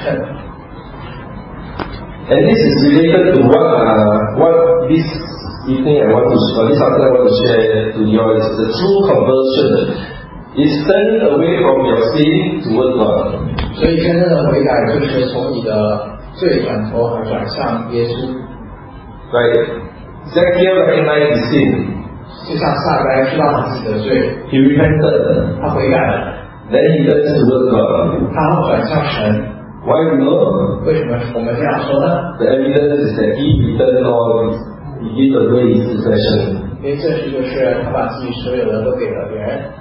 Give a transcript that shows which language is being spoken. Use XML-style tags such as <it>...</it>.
<en>And this is related to what this evening I want to share, this afternoon I want to share to you all, is the true conversion. It's turning away from your sin toward God.</en> <zh>所以真正的悔改就是从你的罪转头而转向耶稣。</zh> <en>Right. Zacchaeus recognized his sin.</en> <zh>就像撒该知道自己的罪。</zh> <en>He repented.</en> <zh>他悔改了。</zh> <en>Then he turned toward God.</en> <zh>他转向神。</zh> <en>Why do you know?</en> <zh>为什么我们这样说呢？</zh> <en>The evidence is that he returned all his, he gave away his possession.</en> <zh>因为这事就是他把自己所有的都给了别人。</zh>